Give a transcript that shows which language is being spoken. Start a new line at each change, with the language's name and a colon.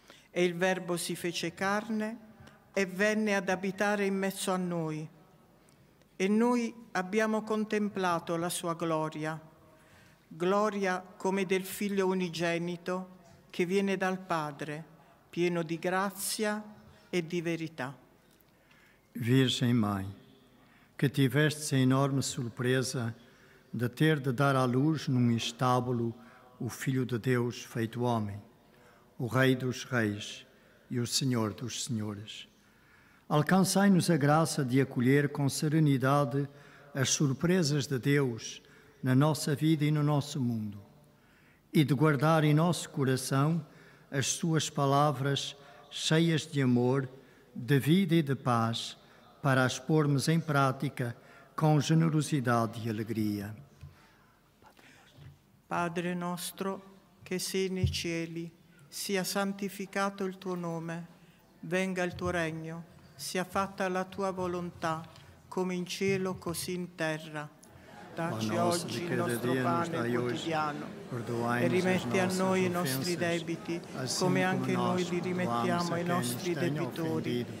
Italian: E il Verbo si fece carne e venne ad abitare in mezzo a noi. E noi abbiamo contemplato la sua gloria, gloria come del Figlio unigenito che viene dal Padre, pieno di grazia e di verità.
Portuguese: Virgem Mãe, che tiveste enorme sorpresa de ter de dar à luz num estábulo o Filho de Deus feito homem, o Rei dos Reis e o Senhor dos Senhores. Alcançai-nos a graça de acolher com serenidade as surpresas de Deus na nossa vida e no nosso mundo, e de guardar em nosso coração as suas palavras cheias de amor, de vida e de paz, para as pormos em prática com generosidade e alegria.
Italian: Padre nostro, che sei nei cieli, sia santificato il tuo nome, venga il tuo regno, sia fatta la tua volontà, come in cielo, così in terra. Dacci oggi il nostro pane quotidiano e rimetti a noi i nostri debiti, come anche noi li rimettiamo ai nostri debitori.